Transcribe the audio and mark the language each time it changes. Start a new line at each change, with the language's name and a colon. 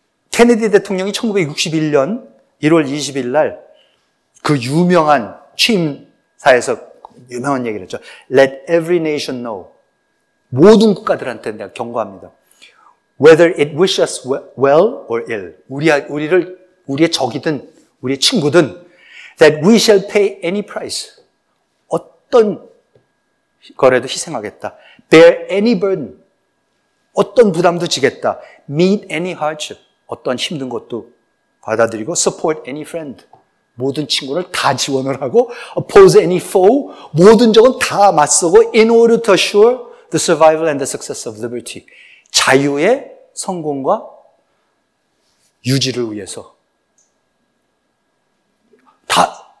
Korean: 케네디 대통령이 1961년 1월 20일 날 그 유명한 취임사에서 유명한 얘기를 했죠.
English: Let every nation know.
Korean: 모든 국가들한테 내가 경고합니다.
English: Whether it wish us well or ill.
Korean: 우리의 적이든 우리의 친구든
English: that we shall pay any price.
Korean: 어떤 거래도 희생하겠다.
English: Bear any burden.
Korean: 어떤 부담도 지겠다.
English: Meet any hardship.
Korean: 어떤 힘든 것도 받아들이고
English: support any friend,
Korean: 모든 친구를 다 지원을 하고
English: oppose any foe,
Korean: 모든 적은 다 맞서고
English: in order to assure the survival and the success of liberty,
Korean: 자유의 성공과 유지를 위해서 다.